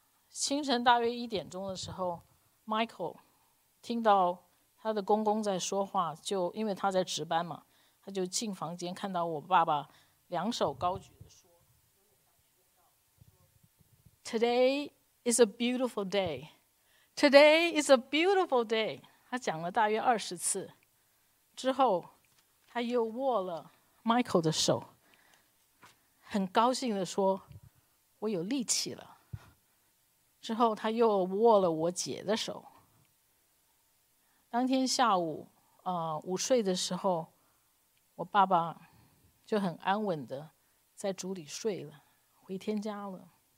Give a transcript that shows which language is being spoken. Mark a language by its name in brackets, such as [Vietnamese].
[Chinese] 清晨大约1点钟的时候 ，Michael 听到他的公公在说话，就因为他在值班嘛，他就进房间看到我爸爸两手高举的说 ： [English] “Today is a beautiful day. Today is a beautiful day.” [Chinese] 他讲了大约20次，之后他又握了 Michael 的手，很高兴的说：“我有力气了。” 之后他又握了我姐的手。当天下午午睡的时候，我爸爸就很安稳的在主里睡了，回天家了。